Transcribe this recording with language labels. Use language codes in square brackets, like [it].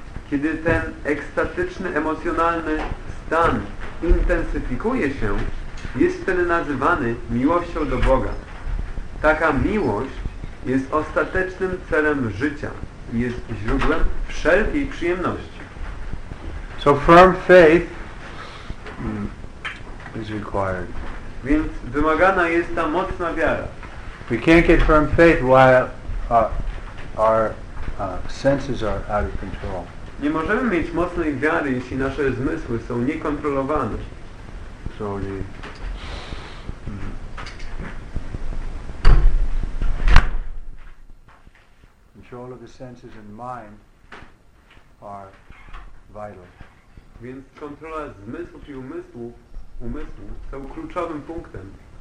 [pl] Kiedy ten ekstatyczny, emocjonalny stan intensyfikuje się, jest wtedy nazywany miłością do Boga. Taka miłość jest ostatecznym celem życia i jest źródłem wszelkiej przyjemności. [en] So firm faith is required. [pl] Więc wymagana jest ta mocna wiara. [en] We can't get firm faith while our senses are out of control. [pl] Nie możemy mieć mocnej wiary, jeśli nasze zmysły są niekontrolowane. [en] So the control of the senses and mind are vital. [pl] Więc kontrola zmysłów i umysłu są kluczowym punktem.